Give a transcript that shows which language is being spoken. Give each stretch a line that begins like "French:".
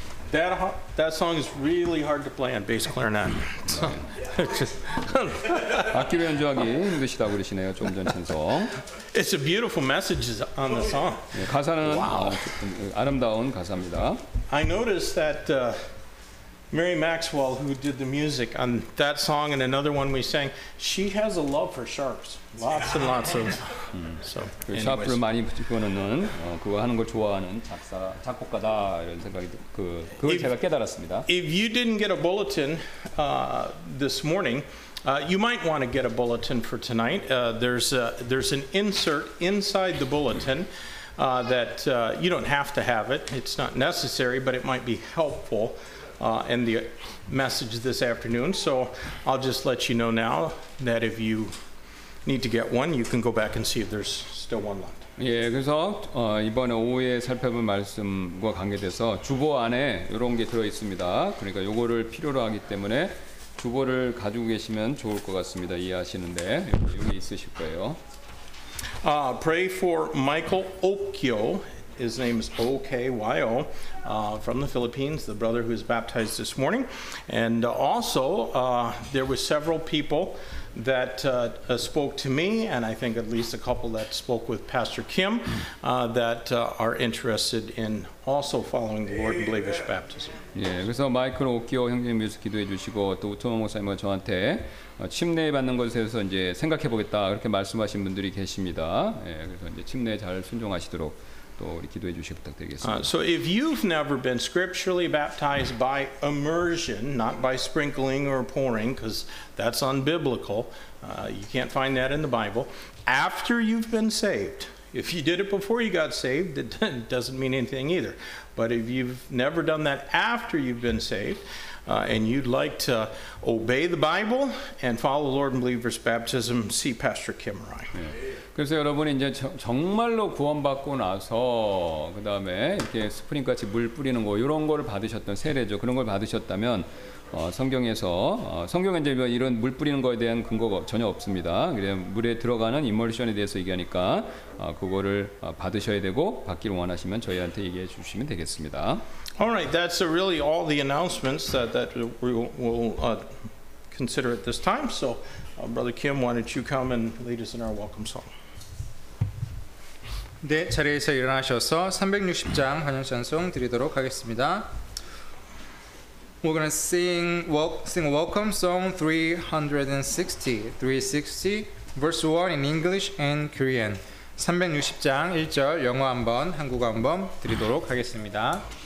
English: That song is really hard to play on bass clarinet.
Korean: 악기로 연주하기 힘드시다고 그러시네요. 조금 전 찬송.
English: It's a beautiful message on the song.
Korean: 네, 가사는 wow. 아름다운 가사입니다.
English: I noticed that Mary Maxwell, who did the music on that song and another one we sang, she has a love for sharks. Lots and lots of.
Korean: So, 샤프를 많이 피워놓는 그거 하는 걸 좋아하는 작사 작곡가다 이런 생각이 그걸 제가 깨달았습니다.
English: If you didn't get a bulletin this morning, you might want to get a bulletin for tonight. There's an insert inside the bulletin that you don't have to have it. It's not necessary, but it might be helpful. And the message this afternoon. So I'll just let you know now that if you need to get one, you can go back and see if there's still one left.
Korean: 예, 그래서 이번 오후에 살펴본 말씀과 관계돼서 주보 안에 이런 게 들어 있습니다. 그러니까 요거를 필요로 하기 때문에 주보를 가지고 계시면 좋을 것 같습니다. 이해하시는데 여기 있으실 거예요.
English: Pray for Michael Okyo. His name is O-K-Y-O from the Philippines, the brother who was baptized this morning. And also, there were several people that spoke to me, and I think at least a couple that spoke with Pastor Kim that are interested in also following the Lord and Believers baptism.
Korean: Yeah, 그래서 마이클 오키오 형제님 위해서 기도해 주시고 또 우토마 목사님과 저한테 침례 받는 것에 대해서 이제 생각해 보겠다 그렇게 말씀하신 분들이 계십니다. 예, 그래서 이제 침례 잘 순종하시도록.
English: So if you've never been scripturally baptized by immersion, not by sprinkling or pouring, because that's unbiblical, you can't find that in the Bible, after you've been saved, if you did it before you got saved, it doesn't mean anything either. But if you've never done that after you've been saved, and you'd like to obey the Bible and follow the Lord and Believers baptism, see Pastor Kim or I.
Korean: 그래서 여러분이 이제 정말로 구원받고 나서 그 다음에 이렇게 스프링 같이 물 뿌리는 거 이런 거를 받으셨던 세례죠 그런 걸 받으셨다면 성경에서 성경에 이제 이런 물 뿌리는 거에 대한 근거가 전혀 없습니다. 그래서 물에 들어가는 이머션에 대해서 얘기하니까 그거를 받으셔야 되고 받기를 원하시면 저희한테 얘기해 주시면 되겠습니다.
English: Alright, that's really all the announcements that we will consider at this time. So. Brother Kim, why don't you come and lead us in our welcome song?
Korean: 네, 자리에서 일어나셔서 360장 환영 찬송 드리도록 하겠습니다.
English: We're gonna sing a welcome song 360 verse 1 in English and Korean.
Korean: 360장 1절 영어 한번 한국어 한번 드리도록 하겠습니다.